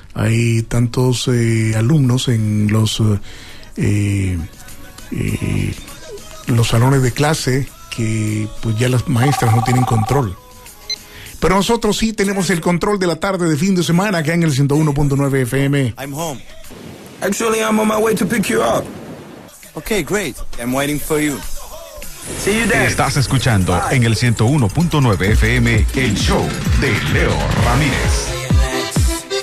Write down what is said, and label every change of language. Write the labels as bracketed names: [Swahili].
[Spanish] Hay tantos alumnos en los salones de clase que pues ya las maestras no tienen control. Pero nosotros sí tenemos el control de la tarde de fin de semana acá en el 101.9 FM. [English] I'm home. Actually, I'm on my way to pick you up. Okay, great. I'm waiting for you. See you there. [Spanish] Estás escuchando en el 101.9 FM el show de Leo Ramírez.